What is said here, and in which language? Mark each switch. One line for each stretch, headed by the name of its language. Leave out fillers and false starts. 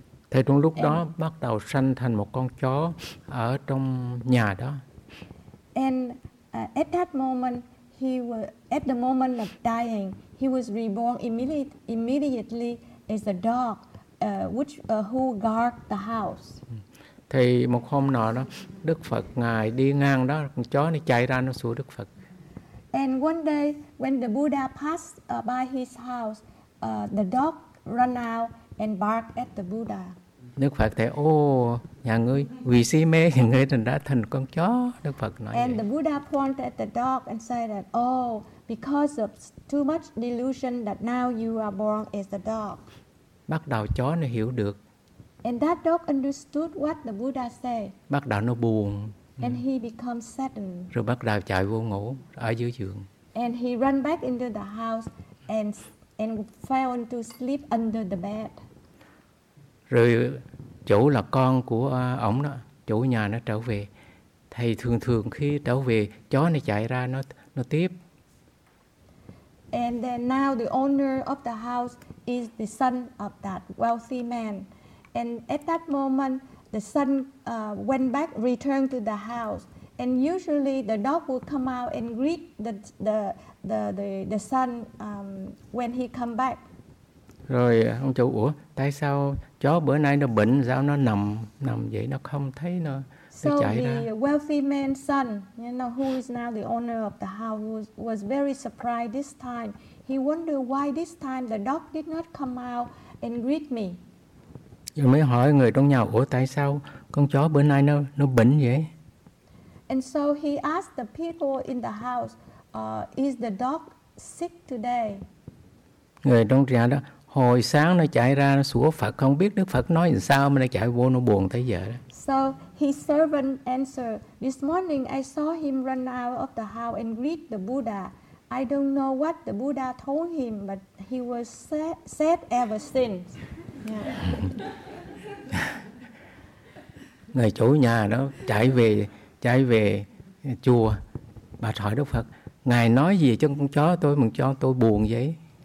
Vietnamese: Thì trong lúc đó bắt đầu sanh thành một con chó ở trong nhà đó.
English: And at that moment, he was, at the moment of dying, he was reborn immediately as a dog, who guard the house.
Vietnamese: Thì một hôm nọ đó, Đức Phật ngài đi ngang đó, con chó nó chạy ra nó sủa Đức Phật.
English: And one day, when the Buddha passed by his house, the dog ran out and barked at the Buddha.
Vietnamese: Đức Phật thấy, ô, nhà ngươi, vì si mê, ngươi đã thành con chó, Đức Phật nói.
English: And the Buddha pointed at the dog and said that, oh, because of too much delusion that now you are born as a dog.
Vietnamese: Bắt đầu chó nó hiểu được.
English: And that dog understood what the Buddha said.
Vietnamese: Bắt đầu nó buồn.
English: And he becomes saddened.
Vietnamese: Rồi bắt đầu chạy vô ngủ ở dưới giường.
English: And he ran back into the house and fell into sleep under the bed.
Vietnamese: Rồi chủ là con của ổng đó, chủ nhà nó trở về. Thì thường thường khi trở về, chó nó chạy ra nó tiếp.
English: And then now the owner of the house is the son of that wealthy man. And at that moment, the son went back, returned to the house, and usually the dog would come out and greet the son when he come back.
Vietnamese: Rồi ông chủ, ủa, tại sao chó bữa nay nó bệnh, sao nó nằm vậy, nó không thấy nó
English: so
Vietnamese: chạy ra.
English: So the wealthy man's son, you know, who is now the owner of the house, was very surprised this time. He wondered why this time the dog did not come out and greet me.
Vietnamese: Rồi mới hỏi người trong nhà, ủa tại sao con chó bữa nay nó bệnh vậy?
English: And so he asked the people in the house, is the dog sick today?
Vietnamese: Người trong nhà đó, hồi sáng nó chạy ra nó sủa Phật, không biết Đức Phật nói làm sao mà nó chạy vô nó buồn tới giờ đó.
English: So his servant answered, this morning I saw him run out of the house and greet the Buddha. I don't know what the Buddha told him, but he was sad ever since.
Vietnamese: Người chủ nhà đó chạy về chùa, bà hỏi Đức Phật, ngài nói gì cho con chó tôi mà cho tôi buồn vậy?